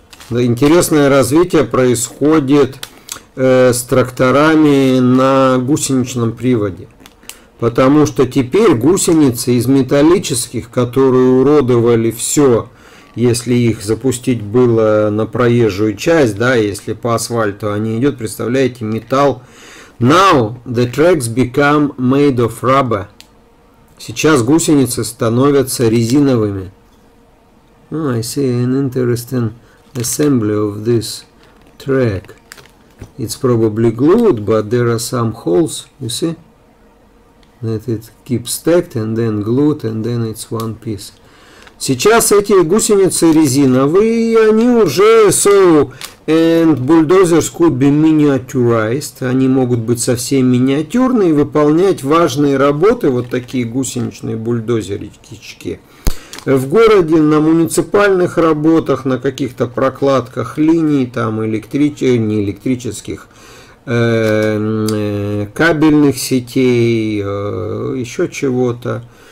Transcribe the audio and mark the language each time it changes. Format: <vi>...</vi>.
<ru>Интересное развитие происходит с тракторами на гусеничном приводе, потому что теперь гусеницы из металлических, которые уродовали все, если их запустить было на проезжую часть, да, если по асфальту они идут, представляете, металл.</ru> <en>Now the tracks become made of rubber.</en> <ru>Сейчас гусеницы становятся резиновыми.</ru> <en>Oh, I see an interesting assembly of this track. It's probably glued, but there are some holes, you see, that it keeps stacked and then glued, and then it's one piece.</en> <ru>Сейчас эти гусеницы резиновые, и они уже,</ru> <en>so, and bulldozers could be miniaturized,</en> <ru>они могут быть совсем миниатюрные, выполнять важные работы, вот такие гусеничные бульдозерички, в городе, на муниципальных работах, на каких-то прокладках линий, там, не электрических, кабельных сетей, еще чего-то.</ru>